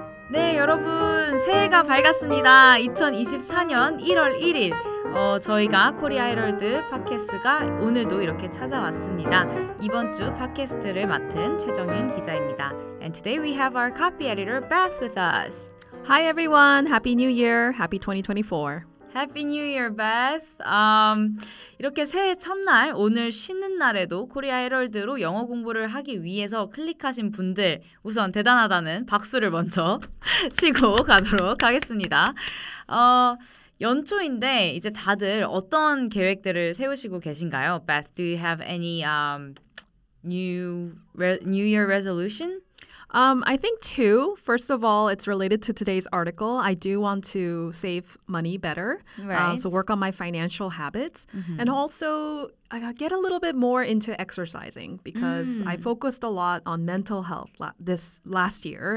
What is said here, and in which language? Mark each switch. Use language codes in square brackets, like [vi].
[ko] 네, 여러분, 새해가 밝았습니다. 2024년 1월 1일 저희가 코리아 헤럴드 팟캐스트가 오늘도 이렇게 찾아왔습니다. 이번 주 팟캐스트를 맡은 최정윤 기자입니다. [en] And today we have our copy editor Beth with us. Hi everyone, happy new year, happy 2024. Happy New Year, Beth. [ko] 이렇게 새해 첫날, 오늘 쉬는 날에도 코리아 헤럴드로 영어 공부를 하기 위해서 클릭하신 분들, 우선 대단하다는 박수를 먼저 치고 가도록 하겠습니다. 연초인데 이제 다들 어떤 계획들을 세우시고 계신가요? [en] Beth, do you have any New Year resolution? I think two. First of all, it's related to today's article. I do want to save money better. Right. So work on my financial habits. Mm-hmm. And also, I get a little bit more into exercising because I focused a lot on mental health this last year.